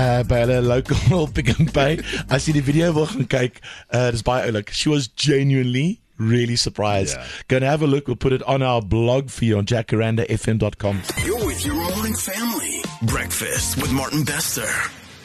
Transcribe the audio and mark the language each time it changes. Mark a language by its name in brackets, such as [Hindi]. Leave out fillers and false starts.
[Afrikaans] by hulle local Pick n Pay. As jy die video wil gaan kyk, dis baie oulik. [English] She was genuinely really surprised. Yeah. Gonna have a look. We'll put it on our blog for you on jacarandafm.com. You're with your morning family. Breakfast with Martin Bester.